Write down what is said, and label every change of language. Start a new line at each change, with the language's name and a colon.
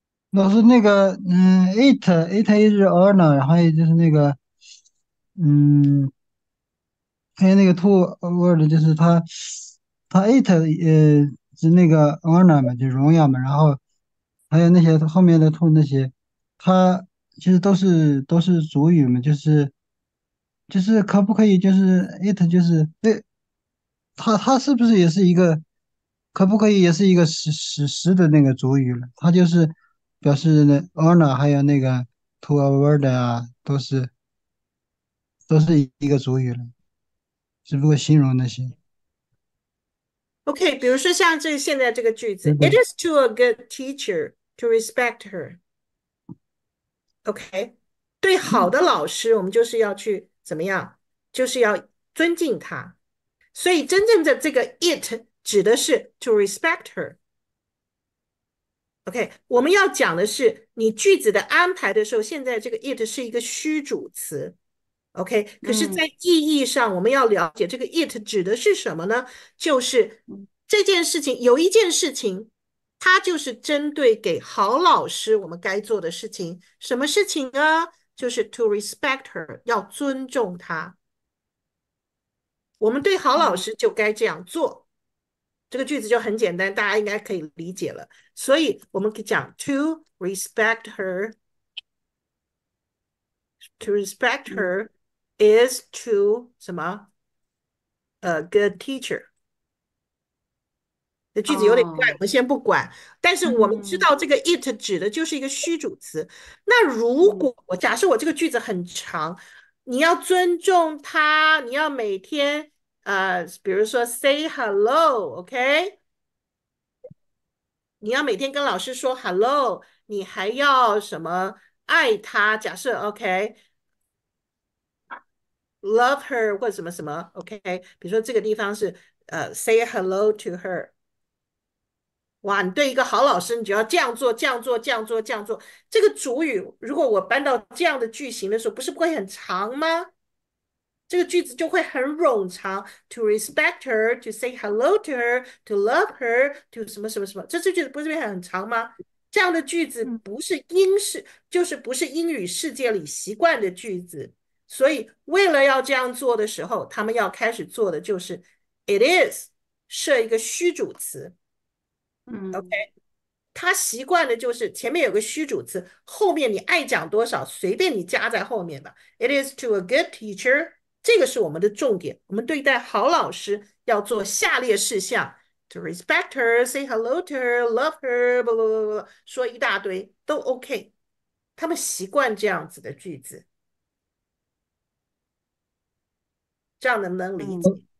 Chinese: 老师，那个，it is honor，然后也就是那个，还有那个 to word，就是它 it 是那个 honor 嘛，就荣耀嘛，然后还有那些后面的 to 那些，它其实都是主语嘛，就是可不可以就是 it 就是对，它是不是也是一个，可不可以也是一个实的那个主语了？它就是。表示那 honor 还有那个 to a word 啊，都是一个主语了，只不过形容那些。 OK，比如说像这现在这个句对
English: 子，It
Chinese: 的。
English: is to a good teacher to respect her。
Chinese: OK，对好的老师，我们就是要去怎么样？就是要尊敬他。所以真正的这个 it 指的是
English: to respect her。
Chinese: OK，我们要讲的是你句子的安排的时候，现在这个 it 是一个虚主词。 OK，可是，在意义上，我们要了解这个 it 指的是什么呢？就是。这件事情有一件事情，它就是针对给好老师我们该做的事情。什么事情呢？就是
English: to respect her，
Chinese: 要尊重她。我们对好老师就该这样做。这个句子就很简单，大家应该可以理解了。所以我们可以讲
English: to respect her，to respect her is to
Chinese: 什么？
English: A good teacher。
Chinese: 这句子有点怪，我们先不管。但是我们知道这个 it 指的就是一个虚主词。那如果我假设我这个句子很长，你要尊重他，你要每天比如说
English: say hello，
Chinese: OK？你要每天跟老师说 hello，你还要什么爱他？假设 OK，
English: love her
Chinese: 或什么什么 OK？比如说这个地方是
English: say hello to her。
Chinese: 哇，你对一个好老师，你就要这样做，这样做，这样做，这样做。这个主语，如果我搬到这样的句型的时候，不是不会很长吗？这个句子就会很冗长。
English: To respect her, to say hello to her, to love her, to
Chinese: 什么什么什么，
English: 这句子不是变很长吗？
Chinese: 这样的句子不是英式，就是不是英语世界里习惯的句子。所以，为了要这样做的时候，他们要开始做的就是
English: it is
Chinese: 设一个虚主词。 OK，他习惯的就是前面有个虚主词，后面你爱讲多少随便你加在后面吧。
English: It is to a good teacher，
Chinese: 这个是我们的重点。我们对待好老师要做下列事项：
English: to respect her, say hello to her, love her，
Chinese: 不不不不，说一大堆都 OK。他们习惯这样子的句子，这样能不能理解